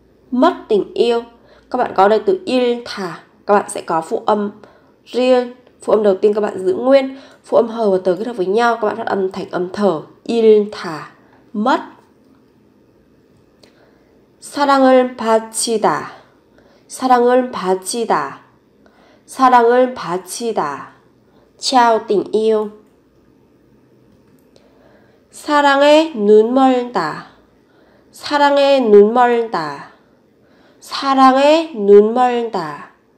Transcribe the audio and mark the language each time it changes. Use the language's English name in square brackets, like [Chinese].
[Vietnamese] Mất tình yêu. Các bạn có đây từ 잃다, các bạn sẽ có phụ âm riêng, phụ âm đầu tiên các bạn giữ nguyên, phụ âm hờ và tờ kết hợp với nhau, các bạn phát âm thành âm thở. [Korean] 잃다, mất. 사랑을 바치다, 사랑을 바치다, 사랑을 바치다. [Vietnamese] Trao tình yêu. [Korean] 사랑에 눈 멀다, 사랑에 눈 멀다, 사랑에 눈 멀다.